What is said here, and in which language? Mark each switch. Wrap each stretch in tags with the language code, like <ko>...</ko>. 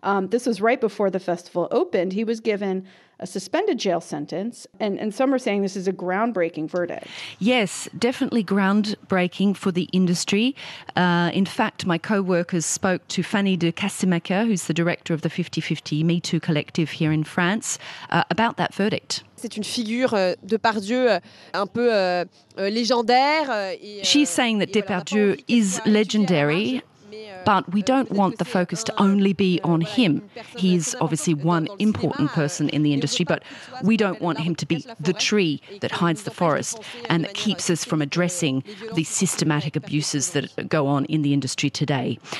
<en>This was right before the festival opened. He was given a suspended jail sentence, and some are saying this is a groundbreaking verdict. Yes, definitely groundbreaking for the industry. In fact, my co-workers spoke to Fanny de Casimaker, who's the director of the 50-50 Me Too Collective here in France, about that verdict.</en> <fr>C'est une figure de Depardieu un peu légendaire.</fr> <en>She's saying that Depardieu is legendary. But we don't want the focus to only be on him. He's obviously one important person in the industry, but we don't want him to be the tree that hides the forest and that keeps us from addressing the systematic abuses that go on in the industry today.</en>